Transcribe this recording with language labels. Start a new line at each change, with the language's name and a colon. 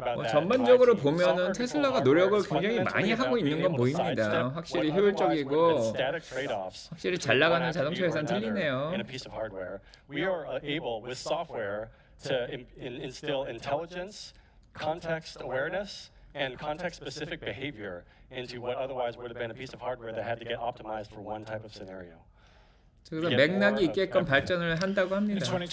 Korean: 전반적으로 보면은 테슬라가 노력을 굉장히 많이 하고 있는 건 보입니다. 확실히 효율적이고 확실히 잘 나가는 자동차 회사는 틀리네요.
English: We are able with software to instill intelligence, context awareness and context specific behavior into what otherwise would have been a piece of hardware that had to get optimized for one type of scenario.
Korean: 그래서 맥락이 있게끔 발전을 한다고 합니다.